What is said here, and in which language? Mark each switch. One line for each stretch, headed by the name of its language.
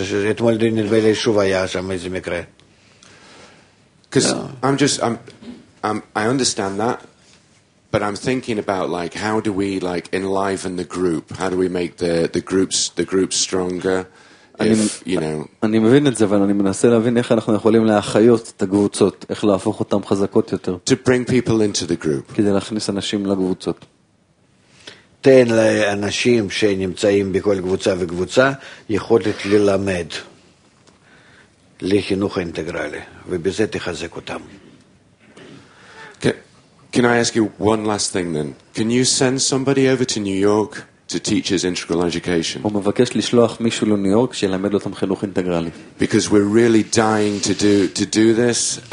Hebrew: אתמול נדבר לי שוב היה שם איזה מקרה.
English: I understand that, but I'm thinking about how do we enliven the group? How do we make the groups stronger?
Hebrew: אני מבין את זה, אבל אני מנסה להבין איך אנחנו יכולים להחיות את הקבוצות, איך להפוך אותן חזקות יותר.
English: To bring people into the group.
Hebrew: כדי להכניס אנשים לקבוצות. תן לאנשים שנמצאים בכל קבוצה וקבוצה יכולת ללמד לחינוך האינטגרלי, ובזה תחזק אותם.
English: Can I ask you one last thing then? Can you send somebody over to New York to teach his integral education?
Hebrew: הוא מבקש לשלוח מישהו לניו יורק שילמד אותם חינוך אינטגרלי.
English: Because we're really dying to do this, and